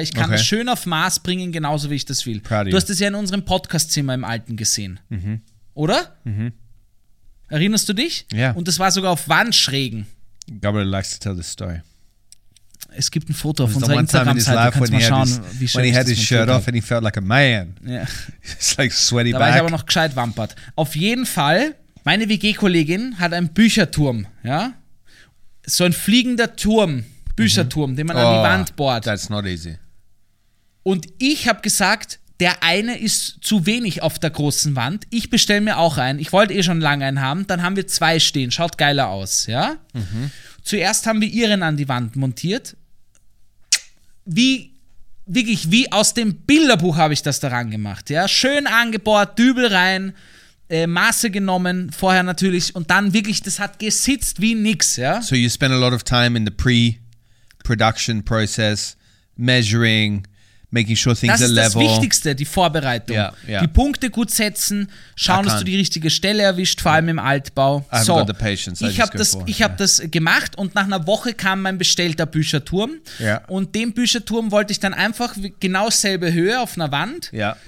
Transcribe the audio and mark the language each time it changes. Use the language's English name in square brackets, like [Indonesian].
[German] Ich kann es schön auf Maß bringen, genauso wie ich das will. Du hast es ja in unserem Podcast-Zimmer im Alten gesehen, mhm, oder? Mhm. Erinnerst du dich? Ja. Und das war sogar auf Wandschrägen. [English] Gabriel likes to tell this story. [German] Es gibt ein Foto auf unserer Instagram-Seite, kannst mal schauen, [English] when he had his shirt off and he felt like a man. [German] Ja. [English] It's like sweaty [German] da [English] back. [German] Da war ich aber noch gescheit wampert. Auf jeden Fall, meine WG-Kollegin hat einen Bücherturm, ja? So ein fliegender Turm, Bücherturm, mhm, den man an die Wand bohrt. [English] That's not easy. [German] Und ich habe gesagt, der eine ist zu wenig auf der großen Wand. Ich bestelle mir auch einen. Ich wollte eh schon lange einen haben. Dann haben wir zwei stehen. Schaut geiler aus, ja? Mhm. Zuerst haben wir ihren an die Wand montiert. Wie, wirklich, wie aus dem Bilderbuch habe ich das daran gemacht, ja? Schön angebohrt, Dübel rein, Maße genommen vorher natürlich. Und dann wirklich, das hat gesitzt wie nix, ja? [English] So you spend a lot of time in the pre-production process, measuring, making sure things [German] das [English] are level. [German] Das ist das Wichtigste, die Vorbereitung. [English] Yeah, yeah. [German] Die Punkte gut setzen, schauen, dass du die richtige Stelle erwischt, vor allem im Altbau. [English] So, got the patience. [German] Ich habe das gemacht und nach einer Woche kam mein bestellter Bücherturm. [English] Yeah. [German] Und den Bücherturm wollte ich dann einfach genau selbe Höhe auf einer Wand, [English] yeah,